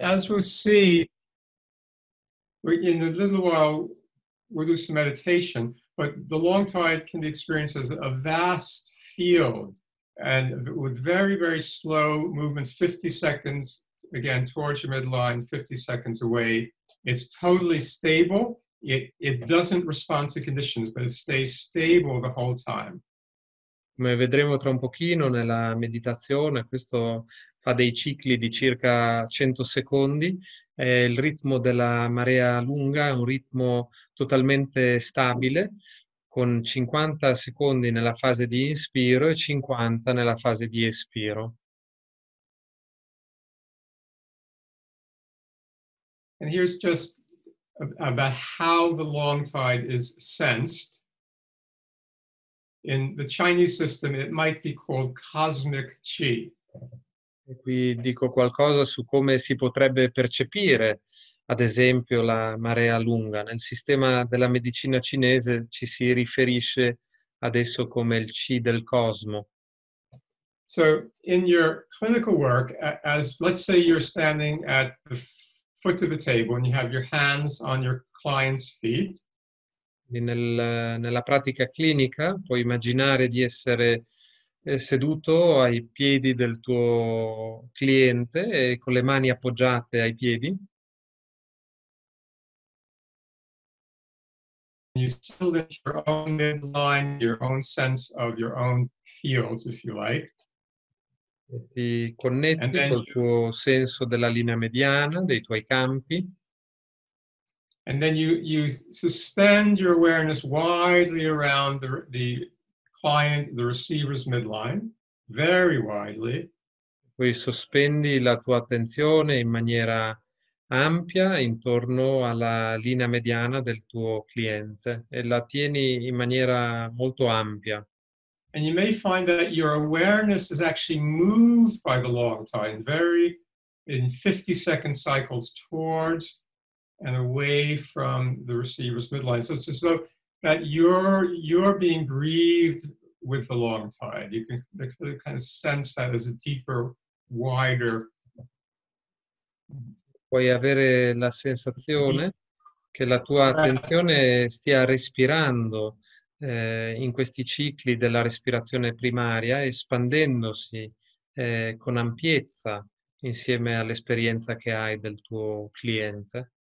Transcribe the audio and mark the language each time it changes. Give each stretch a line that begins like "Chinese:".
English: As we'll see, in a little while we'll do some meditation, but the long tide can be experienced as a vast field and with very, very slow movements, 50 seconds, again, towards your midline, 50 seconds away. It's totally stable. It doesn't respond to conditions, but it stays stable the whole time.
Italian: Come vedremo tra un pochino nella meditazione, questo fa dei cicli di circa 100 secondi, è il ritmo della marea lunga, è un ritmo totalmente stabile, con 50 secondi nella fase di inspiro e 50 nella fase di espiro.
English: And here's just about how the long tide is sensed. In the Chinese system, it might be called cosmic qi.
Italian: E qui dico qualcosa su come si potrebbe percepire ad esempio la marea lunga. Nel sistema della medicina cinese ci si riferisce adesso come il qi del cosmo.
English: So in your clinical work, as let's say you're standing at the foot of the table and you have your hands on your client's feet.
Italian: Nella pratica clinica puoi immaginare di essere seduto ai piedi del tuo cliente e con le mani appoggiate ai piedi.
English: You still have your own midline, your own sense of your own fields, if you like.
Italian: Ti connetti col tuo senso della linea mediana, dei tuoi campi.
English: And then you suspend your awareness widely around the client, the receiver's midline, very widely.
Italian: Poi sospendi la tua attenzione in maniera ampia intorno alla linea mediana del tuo cliente e la tieni in maniera molto ampia.
English: And you may find that your awareness is actually moved by the long time, very in 50-second cycles towards and away from the receiver's midline. So it's as though that you're being grieved with the long tide. You can kind of sense that as a deeper, wider.
Italian: Puoi avere la sensazione che la tua attenzione stia respirando in questi cicli della respirazione primaria, espandendosi con ampiezza insieme all'esperienza che hai del tuo cliente.